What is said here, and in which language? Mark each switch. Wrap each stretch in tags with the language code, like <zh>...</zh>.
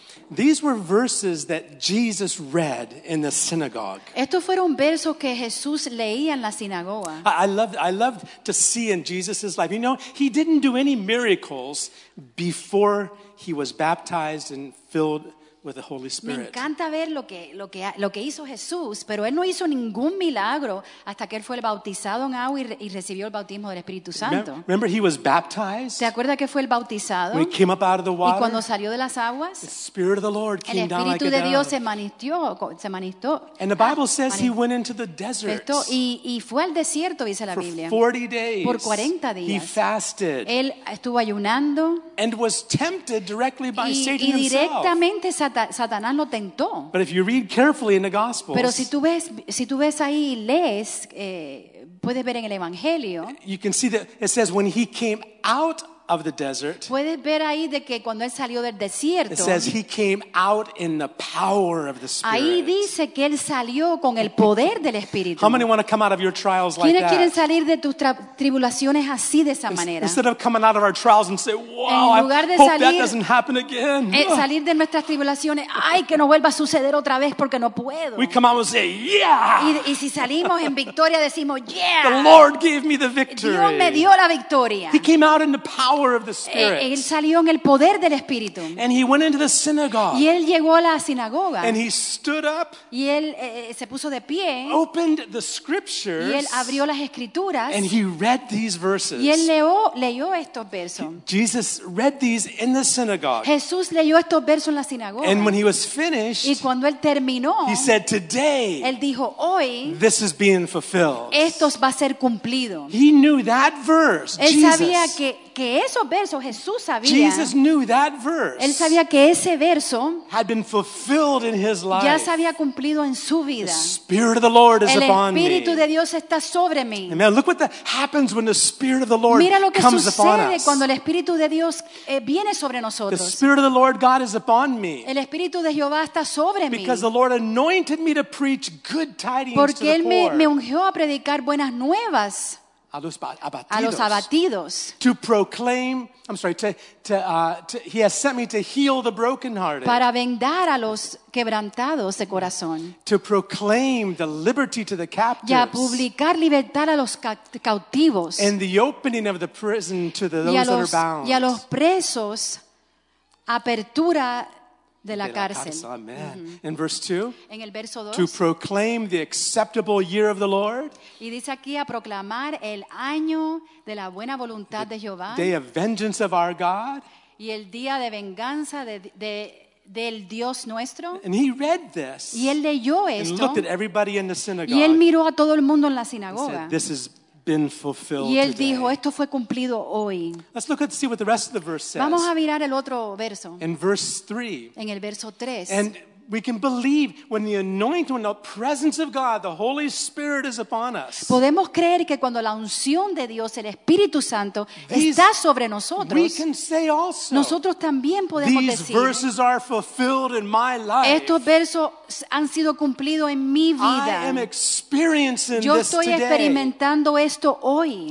<en>These were verses that Jesus read in the synagogue.</en> <es>Estos fueron versos que Jesús leía en la sinagoga.</es> <en>I loved to see in Jesus's life. You know, he didn't do any miracles before he was baptized and filled with the Holy Spirit.</en> <es>Me encanta ver lo que hizo Jesús, pero él no hizo ningún milagro hasta que él fue bautizado en agua y recibió el bautismo del Espíritu Santo.</es> <en>Remember he was baptized?</en> <es>¿Te acuerdas que fue el bautizado?</es> <en>When he came up out of the water.</en> <es>Y cuando salió de las aguas,</es> <en>the Spirit of the Lord came down like a dove.</en> <es>El Espíritu de Dios se manifestó.</es> <en>And the Bible says he went into the desert.</en> <es>Esto y fue al desierto, dice la Biblia.</es> <en>For 40 days.</en> <es>Por 40 días.</es> <en>He fasted.</en> <es>Él estuvo ayunando.</es> <en>And was tempted directly by Satan himself.</en> <es>Y directamente Satanás lo tentó.</es> <en>But if you read carefully in the Gospels,</en> <es>pero si tú ves ahí y lees, puedes ver en el Evangelio,</es> <en>you can see that it says when he came out of the desert,</en> <es>puedes ver ahí de que cuando él salió del desierto,</es> <en>it says he came out in the power of the Spirit.</en> <es>Ahí dice que él salió con el poder del Espíritu.</es> <en>How many want to come out of your trials like that?</en> <es>quieren salir de tus tribulaciones así, de esa manera?</es> <en>Instead of coming out of our trials and say, wow, I hope that doesn't happen again.</en> <es>Salir de nuestras tribulaciones, ay, que no vuelva a suceder otra vez porque no puedo.</es> <en>We come out and say, yeah.</en> <es>Y si salimos en victoria decimos, yeah.</es> <en>The Lord gave me the victory.</en> <es>Dios me dio la victoria.</es> <en>He came out in the power. Of the Spirit.</en> <es>Él salió en el poder del Espíritu.</es> <en>And he went into the synagogue.</en> <es>Y él llegó a la sinagoga.</es> <en>And he stood up.</en> <es>Y él se puso de pie.</es> <en>Opened the scriptures.</en> <es>Y él abrió las escrituras.</es> <en>And he read these verses.</en> <es>Y él leyó estos versos.</es> <en>Jesus read these in the synagogue.</en> <es>Jesús leyó estos versos en la sinagoga.</es> <en>And when he was finished.</en> <es>Y cuando él terminó.</es> <en>He said, "Today."</en> <es>Él dijo, "Hoy."</es> <en>This is being fulfilled.</en> <es>Esto va a ser cumplido.</es> <en>He knew that verse.</en> <es>Él</es> <en>Jesus.</en> <es>Sabía que esos versos Jesús sabía.</es> <en>Jesus knew that verse.</en> <es>Él sabía que ese verso</es> <en>had been fulfilled in his life.</en> <es>Ya se había cumplido en su vida.</es> <en>The Spirit of the Lord is upon me.</en> <es>El Espíritu de Dios está sobre mí.</es> <en>Amen. Look what happens when the Spirit of the Lord comes upon us.</en> <es>Mira lo que</es> <en>comes</en> <es>sucede cuando el Espíritu de Dios viene sobre nosotros.</es> <en>The Spirit of the Lord God is upon me.</en> <es>El Espíritu de Jehová está sobre mí.</es> <en>Because the Lord anointed me to preach good tidings to the poor.</en> <es>Porque él me ungió a predicar buenas nuevas. A los abatidos.</es> <en>To proclaim, I'm sorry, to he has sent me to heal the brokenhearted.</en> <es>Para vendar a los quebrantados de corazón.</es> <en>To proclaim the liberty to the captives.</en> <es>Y a publicar libertad a los cautivos.</es> <en>And the opening of the prison to those that are bound.</en> <es>Y a los presos, apertura de la cárcel.</es> <en>Amen. Mm-hmm. In verse 2,</en> <es>en el verso 2,</es> <en>to proclaim the acceptable year of the Lord,</en> <es>y dice aquí, a proclamar el año de la buena voluntad de Jehová,</es> <en>day of vengeance of our God,</en> <es>y el día de venganza del Dios nuestro.</es> <en>And he read this,</en> <es>y él leyó esto,</es> <en>and looked at everybody in the synagogue,</en> <es>y él miró a todo el mundo en la sinagoga,</es> <en>and said, "This is been fulfilled</en> <es>y él</es> <en>today.</en> <es>Dijo, esto fue cumplido hoy.</es> <en>Let's look at see what the rest of the verse says.</en> <es>Vamos a mirar el otro verso.</es> <en>In verse 3.</en> <es>En el verso 3.</es> <en>And we can believe when the anointing, the presence of God, the Holy Spirit is upon us.</en> <es>Podemos creer que cuando la unción de Dios, el Espíritu Santo, está sobre nosotros.</es> <en>We can say also.</en> <es>Nosotros también podemos</es> <en>these</en> <es>decir.</es> <en>These verses are fulfilled in my life.</en> <es>Estos versos han sido cumplidos en mi vida.</es> <en>I am experiencing</en> <es>yo</es> <en>this</en> <es>estoy</es> <en>today.</en> <es>Experimentando esto hoy.</es>